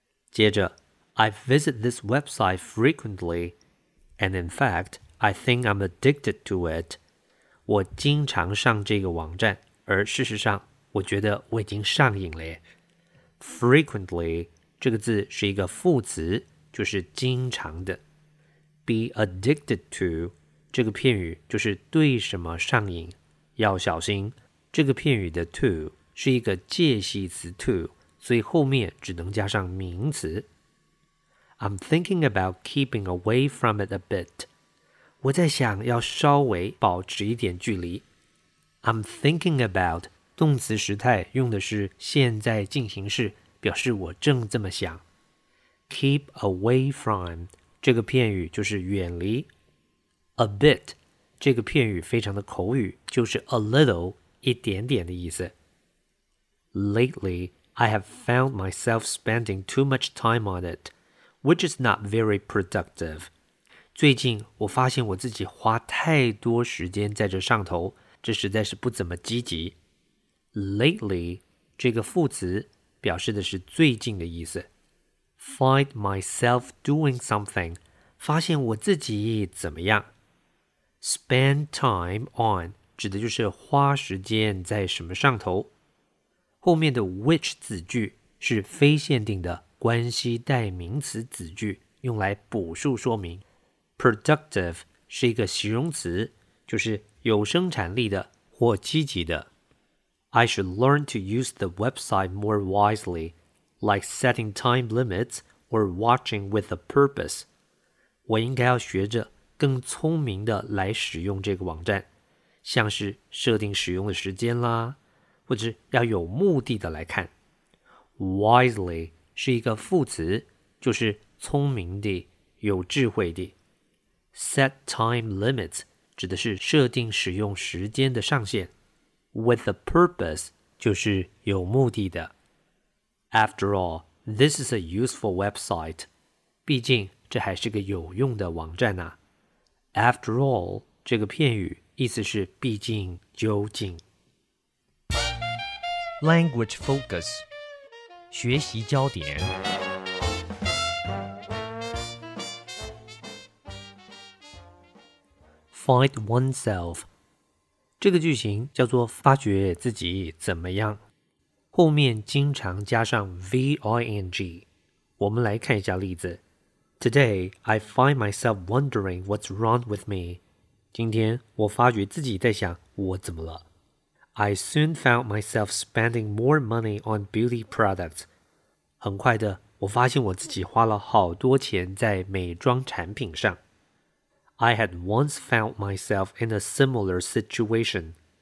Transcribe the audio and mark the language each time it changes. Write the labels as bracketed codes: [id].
[zh] 接着 [en] I visit this website frequently, and in fact, I think I'm addicted to it. [zh] 我经常上这个网站，而事实上我觉得我已经上瘾了耶。 Frequently, 这个字是一个副词，就是经常的。 Be addicted to, 这个片语就是对什么上瘾。要小心，这个片语的 to 是一个介系词 to, 所以后面只能加上名词。 [en] I'm thinking about keeping away from it a bit. [zh] 我在想要稍微保持一点距离。 [en] I'm thinking about... [zh] 动词时态用的是现在进行式，表示我正这么想。 Keep away from 这个片语就是远离。 A bit 这个片语非常的口语，就是 a little 一点点的意思。 [en] Lately, I have found myself spending too much time on it, which is not very productive. [zh] 最近我发现我自己花太多时间在这上头，这实在是不怎么积极。 Lately, 这个副词表示的是最近的意思。 Find myself doing something, 发现我自己怎么样。 Spend time on, 指的就是花时间在什么上头。后面的 which 子句是非限定的关系代名词子句，用来补述说明。 Productive 是一个形容词，就是有生产力的或积极的。 [en] I should learn to use the website more wisely, like setting time limits or watching with a purpose. [zh] 我应该要学着更聪明的来使用这个网站，像是设定使用的时间啦，或者要有目的的来看。 Wisely 是一个副词，就是聪明的、有智慧的。 Set time limits 指的是设定使用时间的上限。 With a purpose, 就是有目的的。 [en] After all, this is a useful website. [zh] 毕竟这还是个有用的网站啊。 After all, 这个片语意思是毕竟究竟。 [en] Language focus, [zh] 学习焦点。 [en] Find oneself. [zh] 这个句型叫做发觉自己怎么样，后面经常加上 ving。我们来看一下例子。 [en] Today, I find myself wondering what's wrong with me. [zh] 今天我发觉自己在想我怎么了。 [en] I soon found myself spending more money on beauty products. [zh] 很快的，我发现我自己花了好多钱在美妆产品上。 [en] I had once found myself in a similar situation.